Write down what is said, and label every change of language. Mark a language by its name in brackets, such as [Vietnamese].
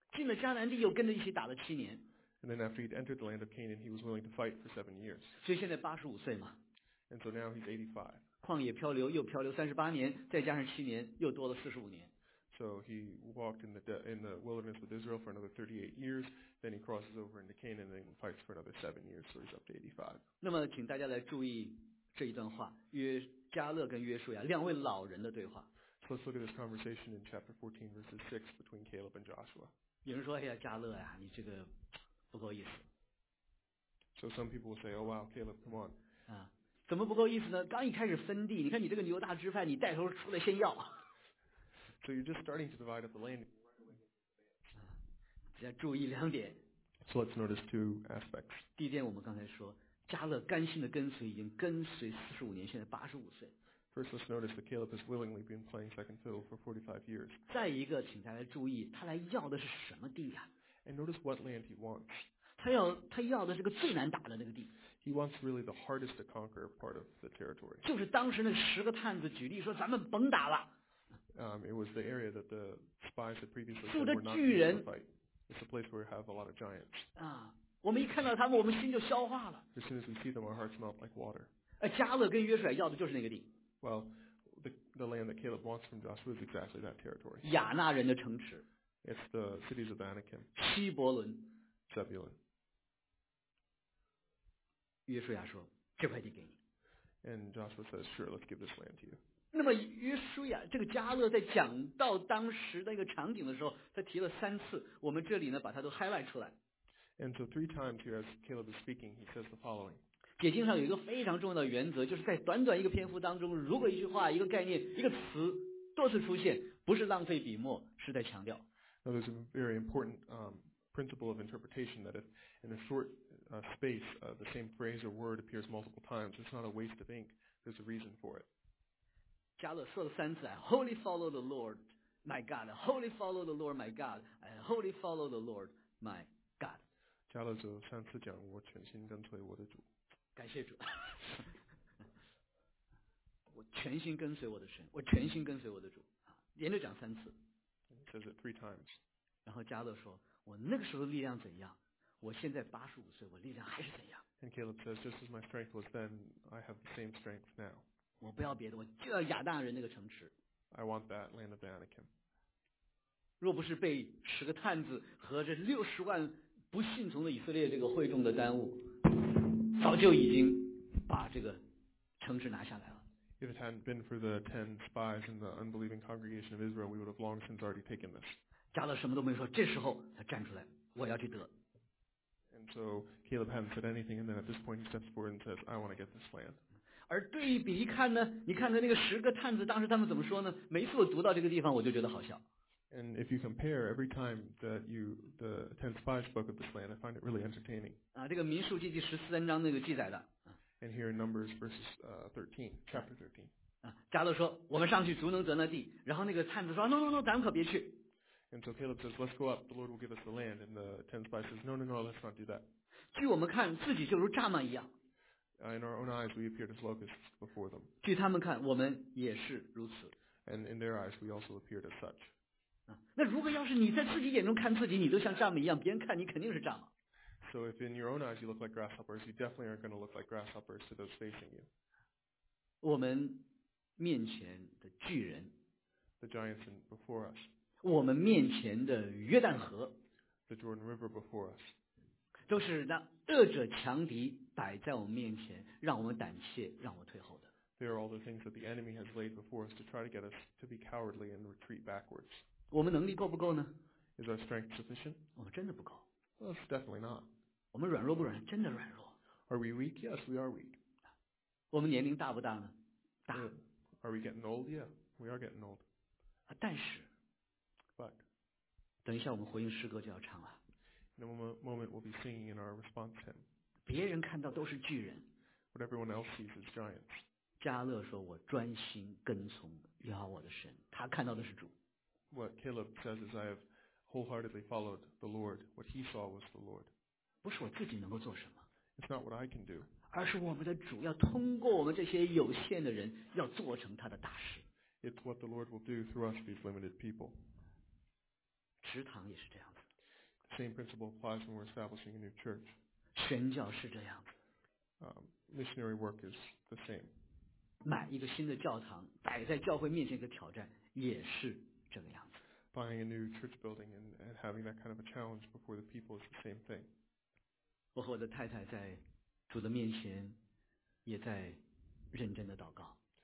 [Chinese] 进了迦南地，又跟着一起打了7年。 [English] And then after he'd entered the land of Canaan, he was willing to fight for 7 years. [Chinese] 所以现在85岁嘛。 [English] And so now he's 85. [Chinese] 旷野漂流又漂流38年，再加上7年，又多了45年。 [English] So he walked in the wilderness with Israel for another 38 years. Then he crosses over into Canaan and then fights for another 7 years. So he's up to 85. [Chinese] 那么请大家来注意这一段话，加勒跟约书亚两位老人的对话。 [English] So let's look at this conversation in chapter 14, verses 6 between Caleb and Joshua. [Chinese] 有人说，哎呀，加勒呀，你这个不够意思。 [English] So some people will say, oh wow, Caleb, come on. [Chinese] 啊，怎么不够意思呢？刚一开始分地，你看你这个犹大支派，你带头出来先要。 [English] So you're just starting to divide up the land. [Chinese] 只要注意两点。 [English] So let's notice two aspects. [Chinese] 第一点，我们刚才说，加勒甘心的跟随，已经跟随45年，现在85岁。 [English] First, let's notice that Caleb has willingly been playing second fiddle for 45 years. [Chinese] 再一个，请大家注意，他来要的是什么地呀？ [English] And notice what land he wants. [Chinese] 他要的是个最难打的那个地。 [English] He wants really the hardest to conquer part of the territory. [Chinese] 就是当时那十个探子举例说，咱们甭打了。 [English] It was the area that the spies had previously said were not going to fight. [Chinese] 住着巨人。 [English] It's a place where we have a lot of giants. [Chinese] 啊，我们一看到他们，我们心就消化了。 [English] As soon as we see them, our hearts melt like water. [Chinese] 加勒跟约书亚要的就是那个地。 [English] Well, the land that Caleb wants from Joshua is exactly that territory. [Chinese] 亚纳人的城池。 [English] It's the cities of Anakim. [Chinese] 西伯伦。 [English] Zebulun. [Chinese] 约书亚说，这块地给你。 [English] And Joshua says, sure, let's give this land to you. [Chinese] 那么约书亚，这个加勒在讲到当时那个场景的时候，他提了3次，我们这里呢把他都 highlight 出来。 [English] And so 3 times here as Caleb is speaking, he says the following. [Chinese] 解经上有一个非常重要的原则，就是在短短一个篇幅当中，如果一句话、一个概念、一个词多次出现，不是浪费笔墨，是在强调。 [English] Now there's a very important principle of interpretation that if in a short space the same phrase or word appears multiple times, it's not a waste of ink. There's a reason for it. [Chinese] 加勒说了3次 [English] ，I wholly follow the Lord my God. I wholly follow the Lord my God. I wholly follow the Lord my God. [Chinese] 加勒说3次讲，我全心跟随我的主。感谢主，我全心跟随我的神，我全心跟随我的主，连着讲3次。 [English] Says it 3 times. [Chinese] 然后加勒说，我那个时候的力量怎样，我现在85岁，我力量还是怎样。 [English] And Caleb says, just as my strength was then, I have the same strength now. [Chinese] 我不要别的，我就要亚纳人那个城池。 [English] I want that land of the Anakim. [Chinese] 若不是被十个探子和这六十万不信从的以色列这个会众的耽误，早就已经把这个城市拿下来了。 [English] If it hadn't been for the 10 spies and the unbelieving congregation of Israel, we would have long since already taken this. [Chinese] 加勒什么都没说，这时候他站出来，我要去得。 [English] And so Caleb hadn't said anything, and then at this point he steps forward and says, "I want to get this land." [Chinese] 而对比一看呢，你看的那个十个探子，当时他们怎么说呢？每次我读到这个地方，我就觉得好笑。 [English] And if you compare every time that the 10 spies spoke of this land, I find it really entertaining. [Chinese] 啊，这个民数记第十三章那个记载的。 [English] And here in Numbers verses 13, chapter 13. [Chinese] 啊，加勒说，我们上去足能得那地。然后那个探子说 ，No, 咱们可别去。 [English] And so Caleb says, "Let's go up. The Lord will give us the land." And the 10 spies says, "No, let's not do that." [Chinese] 据我们看，自己就如蚱蜢一样。 [English] In our own eyes, we appeared as locusts before them. [Chinese] 据他们看，我们也是如此。 [English] And in their eyes, we also appeared as such. [Chinese] 啊，那如果要是你在自己眼中看自己，你都像蚱蜢一样，别人看你肯定是蚱蜢。 [English] So if in your own eyes you look like grasshoppers, you definitely aren't going to look like grasshoppers to those facing you. [Chinese] 我们面前的巨人。 [English] The giants before us. [Chinese] 我们面前的约旦河。 [English] The Jordan River before us. [Chinese] 都是那恶者强敌摆在我们面前，让我们胆怯，让我退后的。 [English] They are all the things that the enemy has laid before us to try to get us to be cowardly and retreat backwards. [Chinese] 我们能力够不够呢？ [English] Is our strength sufficient? [Chinese] 我们真的不够。 [English] Well, it's definitely not. [Chinese] 我们软弱不软？真的软弱。 [English] Are we weak? Yes, we are weak. [Chinese] 我们年龄大不大呢？大。 [English] Are we getting old? Yeah, we are getting old. [Chinese] 啊，但是。 [English] But. [Chinese] 等一下，我们回应诗歌就要唱了。 [English] In a moment, we'll be singing in our response to him. [Chinese] 别人看到都是巨人。 [English] What everyone else sees is giants. [Chinese] 加勒说：“我专心跟从耶和华的神。” 他看到的是主。 [English] What Caleb says is, "I have wholeheartedly followed the Lord. What he saw was the Lord." [Chinese] 不是我自己能够做什么。 [English] It's not what I can do. [Chinese] 而是我们的主要通过我们这些有限的人，要做成他的大事。 [English] It's what the Lord will do through us, these limited people. [Chinese] 职堂也是这样子。 [English] The same principle applies when we're establishing a new church. [Chinese] 宣教是这样子。 [English] Missionary work is the same. [Chinese] 买一个新的教堂，摆在教会面前一个挑战，也是这个样子。 [English] Buying a new church building and having that kind of a challenge before the people is the same thing. [Chinese] 我和我的太太在主的面前也在认真的祷告。